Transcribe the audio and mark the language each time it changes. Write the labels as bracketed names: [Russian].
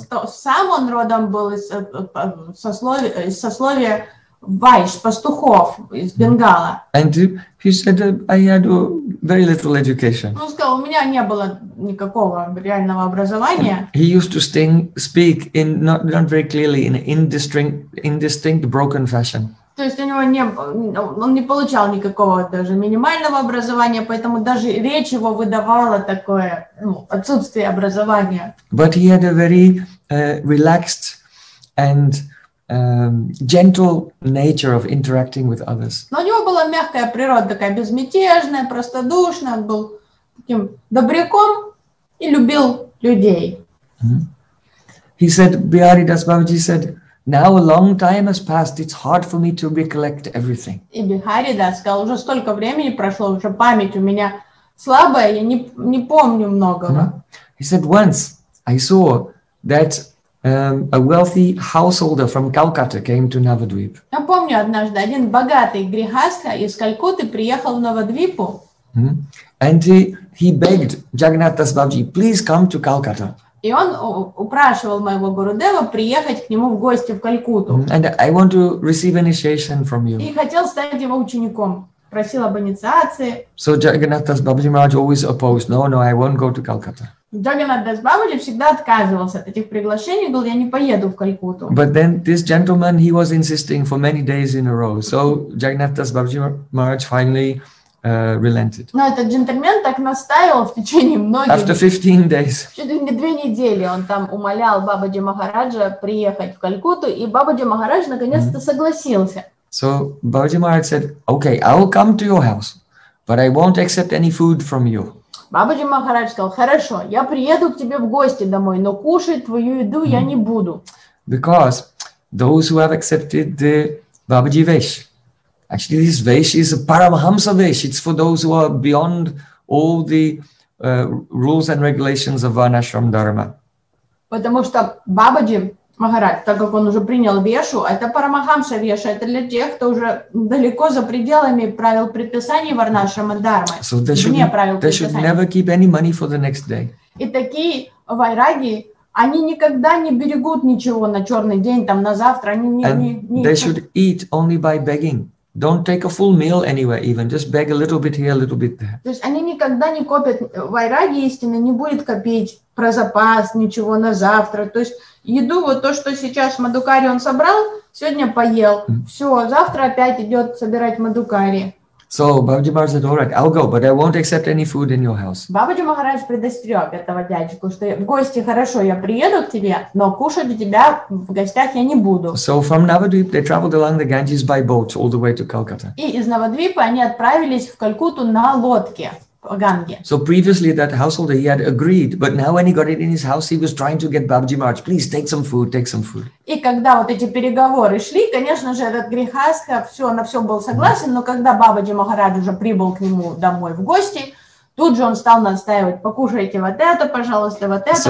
[Russian] Что сам он родом был из сословия вайш, пастухов из Бенгала. [English] And he said I had very little education. [Russian] Он сказал, у меня не было никакого реального образования. [English] And he used to speak in not very clearly, in indistinct broken fashion. [Russian] То есть у него не, он не получал никакого даже минимального образования, поэтому даже речь его выдавала такое, ну, отсутствие образования. [English] But he had a very relaxed and gentle nature of interacting with others. [Russian] Но у него была мягкая природа, такая безмятежная, простодушная, он был таким добряком и любил людей. [English] He said, Bihari Das Babaji said, now a long time has passed, it's hard for me to recollect everything. [Russian] И Бихари Дас сказал, уже столько времени прошло, уже память у меня слабая, я не помню многого. [English] He said, once I saw that a wealthy householder from Calcutta came to Navadvip. [Russian] Я помню однажды, один богатый грехастха из Калькутты приехал в Навадвипу. [English] And he begged Jagannatha's Babaji, please come to Calcutta. [Russian] И он упрашивал моего Гурудева приехать к нему в гости в Калькутту. [English] And I want to receive initiation from you. [Russian] И хотел стать его учеником. Просил об инициации. [English] So Jagannatha's Babaji Maharaj always opposed. No, I won't go to Calcutta. [Russian] Jagannatha's Babaji всегда отказывался от этих приглашений, говорил, я не поеду в Калькутту. [English] But then this gentleman, he was insisting for many days in a row. So Jagannatha's Babaji Maharaj finally relented. [Russian] Но этот джентльмен так настаивал в течение многих. [English] After 15 days. [Russian] Чуть ли не две недели он там умолял Бабаджи Махараджа приехать в Калькутту, и Бабаджи Махарадж наконец-то согласился. [English] So Бабаджи Махарадж said, "Okay, I'll come to your house, but I won't accept any food from you." [Russian] Бабаджи Махарадж сказал, "Хорошо, я приеду к тебе в гости домой, но кушать твою еду я не буду." [English] Because those who have accepted the Бабаджи Vesh. Actually, this Vesh is a Paramahamsa Vesh. It's for those who are beyond all the rules and regulations of Varnashram Dharma. [Russian] Потому что Бабаджи Махарадж, так как он уже принял Вешу, это Парамахамса Веша, это для тех, кто уже далеко за пределами правил предписаний Варнашрама Дхармы. [English] So they should, [Russian] вне правил [English] they should never keep any money for the next day. [Russian] И такие вайраги, они никогда не берегут ничего на черный день, там на завтра. Они [English] they should eat only by begging. Don't take a full meal anywhere even. Just beg a little bit here, a little bit there. [Russian] То есть они никогда не копят, вайраги истины не будет копить про запас, ничего на завтра. То есть еду, вот то, что сейчас мадукари он собрал, сегодня поел. Все, завтра опять идет собирать мадукари. [English] So, Бабаджи Махарадж said, all right, I'll go, but I won't accept any food in your house. [Russian] Бабаджи Махарадж предостерег этого дядечку, что в гости хорошо, я приеду к тебе, но кушать у тебя в гостях я не буду. [English] So, from Navadvip, they traveled along the Ganges by boat all the way to Calcutta. [Russian] И из Навадвипа они отправились в Калькутту на лодке по Ганге. [English] So, previously that householder, he had agreed, but now when he got it in his house, he was trying to get Бабаджи Махарадж, please, take some food. [Russian] И когда вот эти переговоры шли, конечно же, этот грехастха все, на все был согласен, но когда Бабаджи Махарадж уже прибыл к нему домой в гости, тут же он стал настаивать, покушайте вот это, пожалуйста, вот это